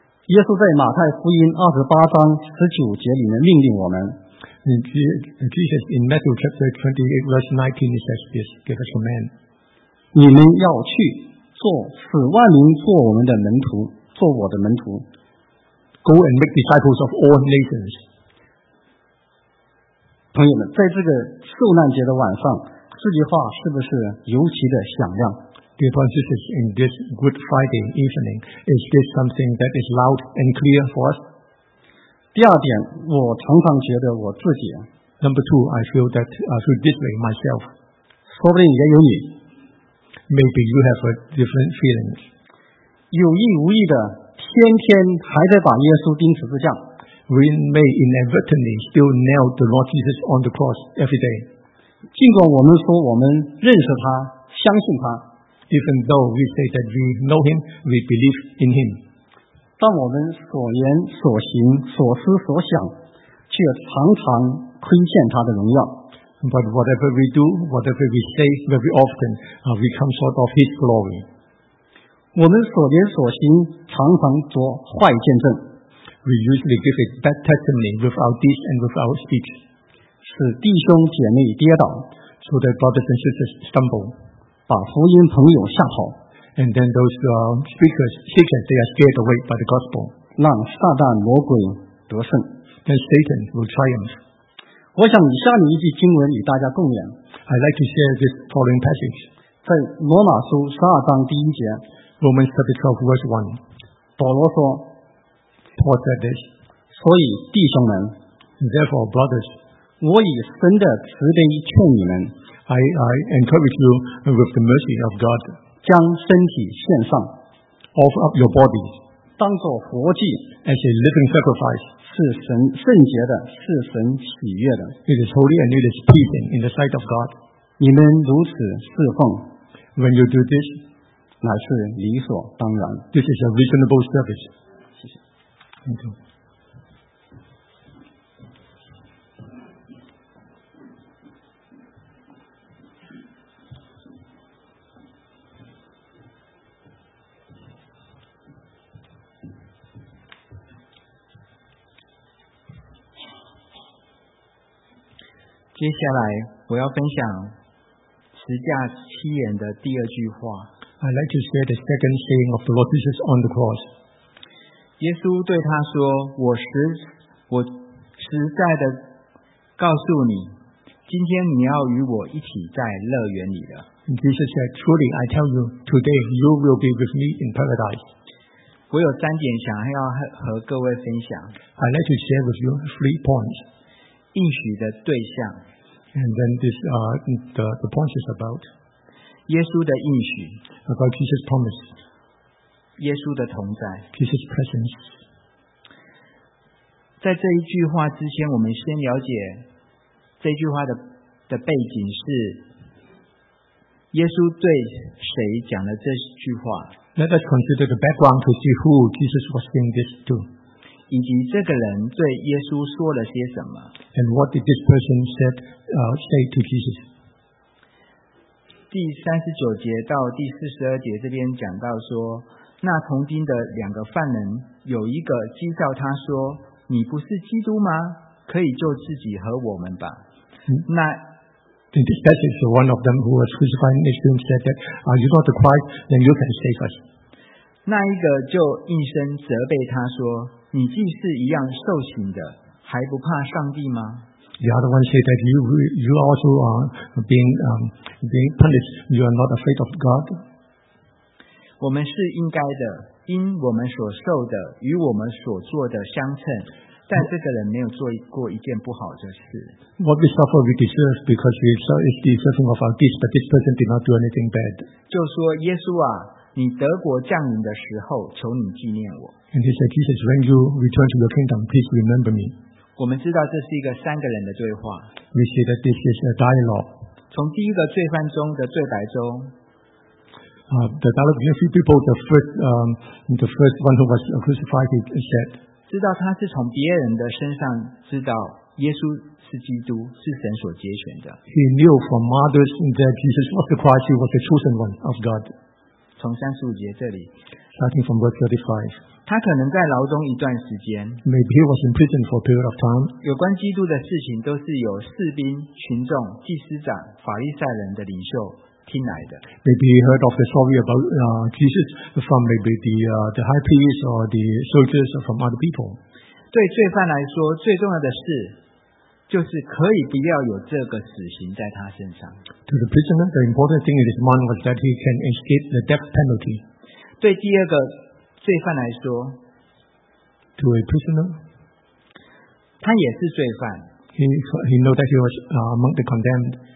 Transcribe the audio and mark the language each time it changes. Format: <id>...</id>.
<zh>耶稣在马太福音28:19里面命令我们。</zh> <en>Jesus in Matthew chapter 28:19 says this, give us command.</en> <zh>你们要去做使万民做我们的门徒，做我的门徒。</zh> <en>Go and make disciples of all nations。</en> <zh>朋友们，在这个受难节的晚上，这句话是不是尤其的响亮</zh> <en>dear brothers and sisters, in this Good Friday evening, is this something that is loud and clear for us?</en> <zh>第二点，我常常觉得我自己。</zh> <en>Number two, I feel that through this way myself.</en> <zh>说不定也有你。</zh> <en>Maybe you have a different feeling.</en> <zh>有意无意的，天天还在把耶稣钉十字架。</zh> <en>We may inadvertently still nail the Lord Jesus on the cross every day.</en> <zh>尽管我们说我们认识他，相信他。</zh> <en>Even though we say that we know him, we believe in him.</en> <zh>但我们所言所行所思所想，却常常亏欠他的荣耀。</zh> <en>But whatever we do, whatever we say, very often, we come short of his glory.</en> <zh>我们所言所行常常做坏见证。</zh> <en>We usually give a bad testimony with our deeds and with our speech.</en> <zh>使弟兄姐妹跌倒。</zh> <en>So that brothers and sisters stumble.</en> <zh>把福音朋友吓跑。</zh> <en>And then those speakers, seekers, they are scared away by the gospel.</en> <zh>让撒旦魔鬼得胜。</zh> <en>Then Satan will triumph.</en> <zh>我想以下一句经文与大家共勉。</zh> <en>I'd like to share this following passage.</en> <zh>在罗马书十二章第一节。</zh> <en>Romans chapter 12, verse 1.</en> <zh>保罗说，</zh> <en>Paul said this,</en> <zh>所以弟兄们，</zh> <en>therefore brothers,</en> <zh>我以神的慈悲劝你们，</zh> <en>I encourage you with the mercy of God,</en> <zh>将身体献上，</zh> <en>offer up your body,</en> <zh>当作活祭，</zh> <en>as a living sacrifice,</en> <zh>是神圣洁的，是神喜悦的，</zh> <en>it is holy and it is pleasing in the sight of God,</en> <zh>你们如此侍奉，</zh> <en>when you do this,</en> <zh>乃是理所当然，</zh> <en>this is a reasonable service.</en> <zh>接下来我要分享十架七言的第二句话。</zh> <en>I'd like to share the second saying of the Lord Jesus on the cross.</en> <zh>耶稣对他说，我实在的告诉你，今天你要与我一起在乐园里了。</zh> <en>Jesus said, truly I tell you, today you will be with me in paradise.</en> <zh>我有三点想要和各位分享。</zh> <en>I'd like to share with you three points.</en> <zh>应许的对象。</zh> <en>And then this, the points is about</en> <zh>耶稣的应许。</zh> <en>About Jesus' promise.</en> <zh>耶稣的同在</zh> <en>Jesus' presence.</en> <zh>在这一句话之前，我们先了解这句话 的背景是耶稣对谁讲了这句话。</zh> <en>Let us consider the background to see who Jesus was saying this to.</en> <zh>以及这个人对耶稣说了些什么。</zh> <en>And what did this person said, say to Jesus?</en> <zh>第39节到第42节这边讲到说，那同钉的两个犯人有一个讥笑他说，你不是基督吗？可以救自己和我们吧。那</zh> <en>In this passage, one of them who was crucified next to him said that, are you not the Christ? Then you can save us.</en> <zh>那一个就应声责备他说，你既是一样受刑的，还不怕上帝吗？</zh> <en>The other one said that you also are being punished. You are not afraid of God.</en> <zh>我们是应该的，因我们所受的与我们所做的相称，但这个人没有做过一件不好的事。</zh> <en>What we suffer we deserve because we saw it's deserving of our deeds, but this person did not do anything bad.</en> <zh>就说耶稣啊，你德国降临的时候，求你纪念我。</zh> <en>And he said, Jesus, when you return to your kingdom, please remember me.</en> <zh>我们知道这是一个三个人的对话。</zh> <en>We see that this is a dialogue.</en> <zh>从第一个罪犯中的罪白中。</zh> <en>The dialogue between two people, the first one who was crucified, he said,</en> <zh>知道他是从别人的身上知道耶稣是基督，是神所拣选的。</zh> <en>He knew from others that Jesus was the Christ, he was the chosen one of God.</en> <zh>从35节这里，</zh> <en>starting from verse 35,</en> <zh>他可能在牢中一段时间，</zh> <en>maybe he was in prison for a period of time.</en> <zh>有关基督的事情都是由士兵、群众、祭司长、法利赛人的领袖听来的。</zh> <en>Maybe he heard of the story about Jesus from maybe the high priest or the soldiers or from other people.</en> <zh>对罪犯来说，最重要的是就是可以不要有这个死刑在他身上。</zh> <en>To the prisoner, the important thing in his mind was that he can escape the death penalty.</en> <zh>对第二个罪犯来说</zh> <en>，To a prisoner,</en> <zh>他也是罪犯。</zh> <en>He knew that he was among the condemned.</en>